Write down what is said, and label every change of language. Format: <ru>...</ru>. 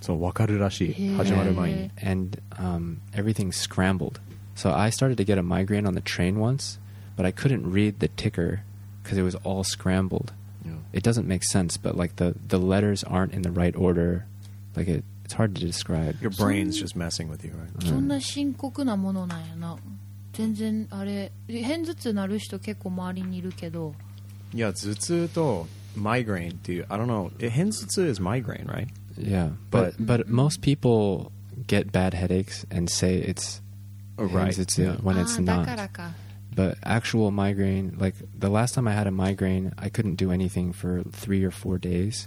<ja>So, わかるらしい。始まる前に。</ja> <en>And everything's scrambled. So, I started to get a migraine on the train once, but I couldn't read the ticker because it was all scrambled. Yeah. It doesn't make sense, but like the letters aren't in the right order. Like it... It's hard to describe. Your brain's just messing with you, right?</en> <ja>そんな深刻なものなんやな。全然あれ、偏頭痛なる人結構周りにいるけど。いや、頭痛と migraine っていう、</ja> <en>I don't know.</en> <ja>偏頭痛</ja> <en>is migraine, right? Yeah, but most people get bad headaches and say it's 偏頭痛when it's not.</en> <ja>だからか。</ja> <en>But actual migraine, like the last time I had a migraine, I couldn't do anything for 3 or 4 days.</en>